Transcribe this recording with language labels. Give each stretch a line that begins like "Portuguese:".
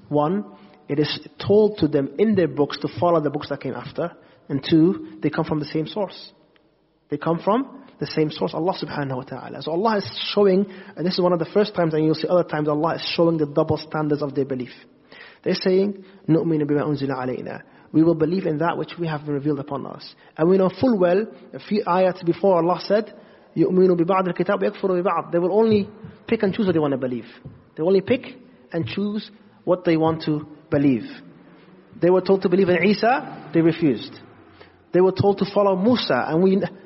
English: One, it is told to them in their books to follow the books that came after. And two, they come from the same source. They come from the same source, Allah subhanahu wa ta'ala. So Allah is showing, and this is one of the first times, and you'll see other times, Allah is showing the double standards of their belief.
Arabic: They're saying, نُؤْمِنُ بِمَا أُنزِلَ عَلَيْنَا.
English: We will believe in that which we have revealed upon us. And we know full well, a few ayats before Allah said, يُؤْمِنُ بِبَعْدِ الْكِتَابِ يَكْفُرُ بِبَعْدِ. They will only pick and choose what they want to believe. They will only pick and choose what they want to believe. They were told to believe in Isa, they refused. They were told to follow Musa, and we...